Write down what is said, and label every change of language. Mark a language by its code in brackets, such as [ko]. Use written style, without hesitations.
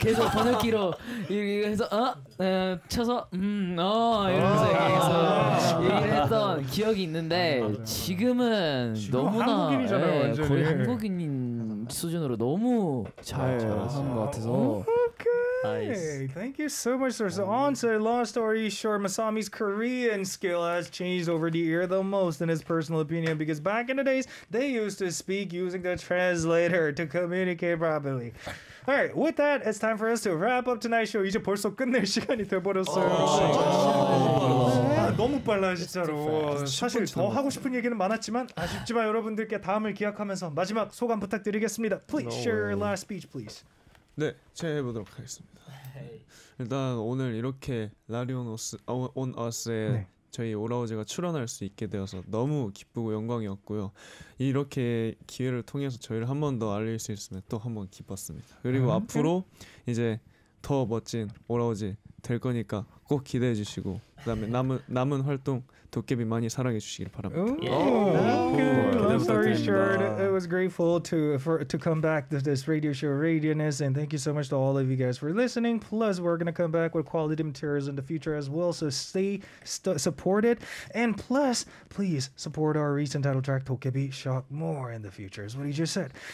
[ko] 계속 번역기로 얘기해서 어? 쳐서 어 이러면서 얘기해서 얘기했던 기억이 있는데 지금은 너무나 한국인이잖아요, 네, 거의 한국인 수준으로 너무 잘하는 것 같아서 [en] Nice. Thank you so much, sir. So, on to long story short, Masami's Korean skill has changed over the year the most, in his personal opinion, because back in the days, they used to speak using the translator to communicate properly. All right, with that, it's time for us to wrap up tonight's show. [ko] 이제 벌써 끝낼 시간이 돼버렸어요. 너무 빨라 진짜로. 사실 더 하고 싶은 얘기는 많았지만 아쉽지만 여러분들께 다음을 기약하면서 마지막 소감 부탁드리겠습니다. [en] Please share your last speech, please. [ko] 네, 제가 해보도록 하겠습니다. 일단 오늘 이렇게 라리오노스 온 어스에 네. 저희 오라오즈가 출연할 수 있게 되어서 너무 기쁘고 영광이었고요. 이렇게 기회를 통해서 저희를 한 번 더 알릴 수 있으면 또 한 번 기뻤습니다. 그리고 앞으로 이제 더 멋진 오라오즈 될 거니까 꼭 기대해 주시고 그다음에 남은 활동 도깨비 많이 사랑해 주시길 바랍니다. [en] Long story short, it was grateful to come back to this radio show Radioness, and thank you so much to all of you guys for listening. Plus, we're gonna come back with quality materials in the future as well, so stay supported. And plus, please support our recent title track, Tokebi Shock, more in the future, is what he just said.